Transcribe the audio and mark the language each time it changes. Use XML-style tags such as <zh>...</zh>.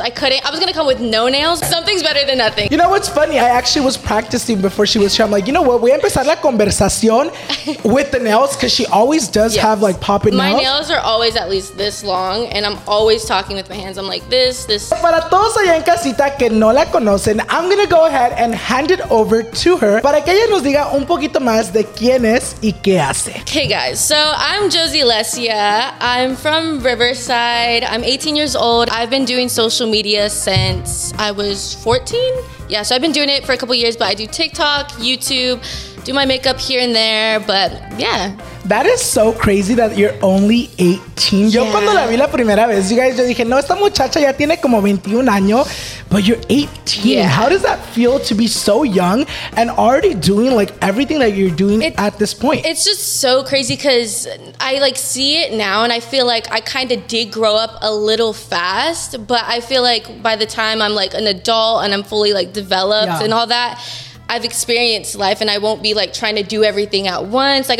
<en>I was going to come with no nails. Something's better than nothing. You know what's funny? I actually was practicing before she was here. I'm like, you know what? We</en> <es>empezar la conversación</es> <en>with the nails because she always does yes. have like popping nails. My nails are always at least this long, and I'm always talking with my hands. I'm like this.</en> <es>Para todos allá en casita que no la conocen,</es> <en>I'm going to go ahead and hand it over to her</en> <es>para que ella nos diga un poquito más de quién es y qué hace.</es> <en>Okay, guys. So I'm Josie Alesia. I'm from Riverside. I'm 18 years old. I've been doing social media since I was 14. Yeah, so I've been doing it for a couple years, but I do TikTok, YouTube, do my makeup here and there, but yeah. That is so crazy that you're only 18. Yeah.</en> <es>Yo cuando la vi la primera vez,</es> <en>you guys,</en> <es>yo dije, no, esta muchacha ya tiene como 21 años,</es> <en>but you're 18. Yeah. How does that feel to be so young and already doing like everything that you're doing at this point? It's just so crazy because I like see it now and I feel like I kind of did grow up a little fast, but I feel like by the time I'm like an adult and I'm fully like developed yeah. and all that, I've experienced life and I won't be like trying to do everything at once.</en>